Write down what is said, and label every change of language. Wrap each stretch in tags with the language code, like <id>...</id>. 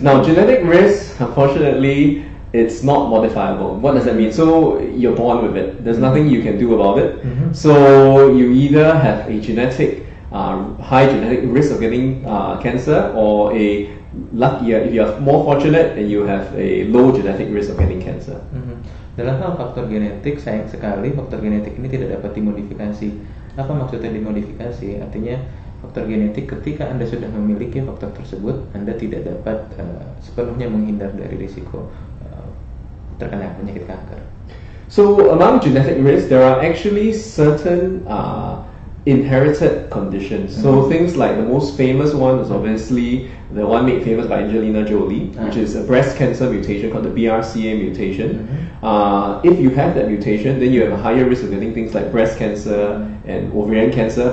<en>Now, genetic risk, unfortunately, it's not modifiable. What does that mean? So you're born with it. There's nothing you can do about it. So you either have a genetic high genetic risk of getting cancer, or a luckier if you are more fortunate and you have a low genetic risk of getting cancer.</en> <id>Dalam hal faktor genetik, sayang sekali faktor genetik ini tidak dapat dimodifikasi. Apa maksudnya dimodifikasi? Artinya faktor genetik, ketika Anda sudah memiliki faktor tersebut, Anda tidak dapat sepenuhnya menghindar dari risiko terkena penyakit kanker.</id> <en>So, among genetic risk, there are actually certain inherited conditions. So, things like the most famous one is obviously the one made famous by Angelina Jolie, which is a breast cancer mutation called the BRCA mutation. If you have that mutation, then you have a higher risk of getting things like breast cancer and ovarian cancer.</en>